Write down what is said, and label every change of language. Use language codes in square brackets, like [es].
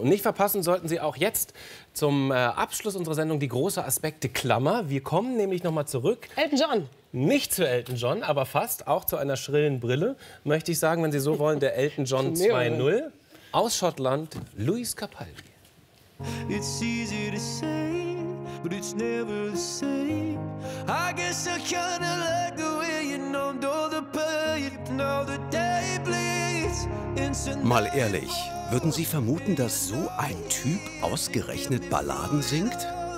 [de] Und nicht verpassen sollten Sie auch jetzt zum Abschluss unserer Sendung die große Aspekte-Klammer. Wir kommen nämlich nochmal zurück. Elton John. Nicht zu Elton John, aber fast auch zu einer schrillen Brille, möchte ich sagen, wenn Sie so wollen, der Elton John 2.0. Aus Schottland, Louis Capaldi. [en] It's easy to say, but it's never the same. I guess I kinda like the way you numbed all the pain. Now the day bleeds into night. [de] Mal ehrlich. Würden Sie vermuten, dass so ein Typ ausgerechnet Balladen singt?